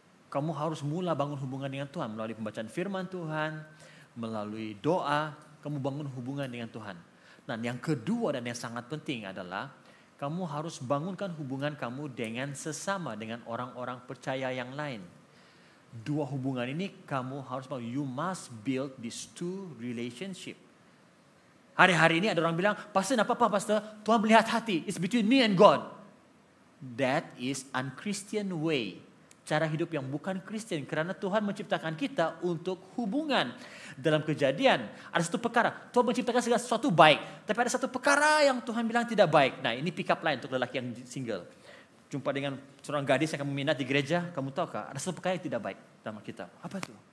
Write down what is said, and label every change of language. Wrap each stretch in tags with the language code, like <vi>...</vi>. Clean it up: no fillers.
<ms>Kamu harus mula bangun hubungan dengan Tuhan melalui pembacaan firman Tuhan, melalui doa, kamu bangun hubungan dengan Tuhan. Nah, yang kedua dan yang sangat penting adalah kamu harus bangunkan hubungan kamu dengan sesama, dengan orang-orang percaya yang lain. Dua hubungan ini kamu harus bangun.</ms> <en>You must build these two relationship.</en> <ms>Hari-hari ini ada orang bilang, Pastor, apa-apa Pastor, Tuhan melihat hati.</ms> <en>It's between me and God. That is unchristian way.</en> <ms>Cara hidup yang bukan Kristen, karena Tuhan menciptakan kita untuk hubungan. Dalam Kejadian, ada satu perkara, Tuhan menciptakan segala sesuatu baik, tapi ada satu perkara yang Tuhan bilang tidak baik. Nah, ini pick up line untuk lelaki yang single. Jumpa dengan seorang gadis yang kamu minat di gereja, kamu tahu kah, ada satu perkara yang tidak baik dalam kita. Apa itu?</ms>